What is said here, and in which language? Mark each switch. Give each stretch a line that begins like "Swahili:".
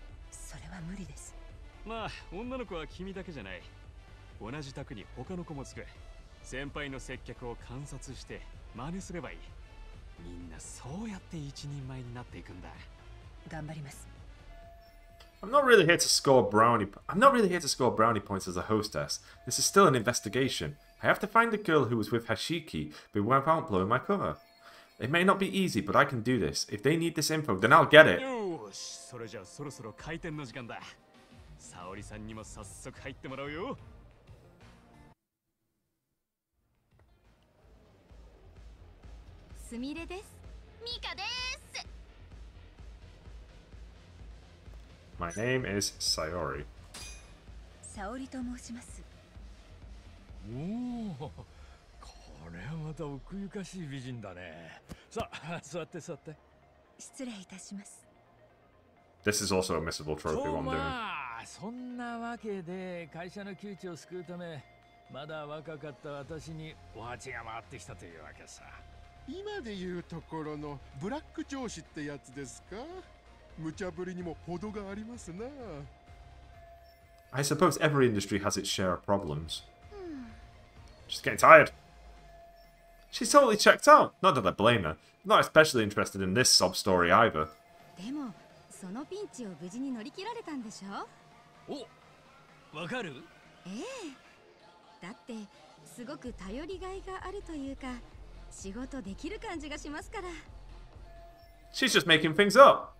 Japanese: それは無理です。まあ女の子は君だけじゃない、同じ宅に他の子もつく。先輩の接客を観察して真似すればいい。みんなそうやって一人前になっていくんだ。頑張ります。
English: I'm not really here to score brownie. I'm not really here to score brownie points as a hostess. This is still an investigation. I have to find the girl who was with Hashiki, but without blowing my cover. It may not be easy, but I can do this. If they need this info, then I'll get it.
Japanese: よし、それじゃあそろそろ開店の時間だ。沙織さんにも早速入ってもらうよ。スミレです。ミカです。
English: My name is Sayori.
Japanese: サオリと申します。おお、これはまた奥ゆかしい美人だね。さあ、座って座って。失礼いたします。
English: This is also a missable trophy one day.
Japanese: まあ、そんなわけで会社の窮地を救うため、まだ若かった私にお鉢が回ってきたというわけさ。今で言うところのブラック上司ってやつですか。無茶ぶりにも程がありますな。
English: I suppose every industry has its share of problems. She's getting tired. She's totally checked out. Not that I blame her. Not especially interested in this sob story either.
Japanese: でもそのピンチを無事に乗り切られたんでしょ。お、わかる。ええ。だってすごく頼りがいがあるというか。仕事できる感じがしますから。
English: She's just making things up!